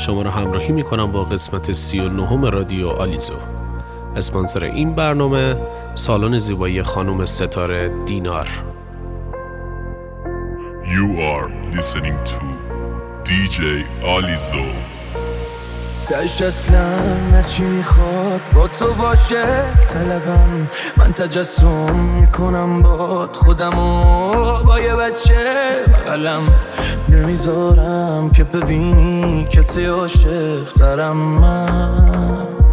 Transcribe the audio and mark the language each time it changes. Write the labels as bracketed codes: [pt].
[fa] شما را همراهی میکنم با قسمت 39 رادیو آلیزو. اسپانسر این برنامه سالن زیبایی خانم ستاره دینار. [en] You are listening to DJ آلیزو. [fa] تش اصلا هرچی میخواد با تو باشه طلبم، من تجسم میکنم باد خودمو با یه بچه بغلم، نمیذارم که ببینی کسی عاشق ترم من،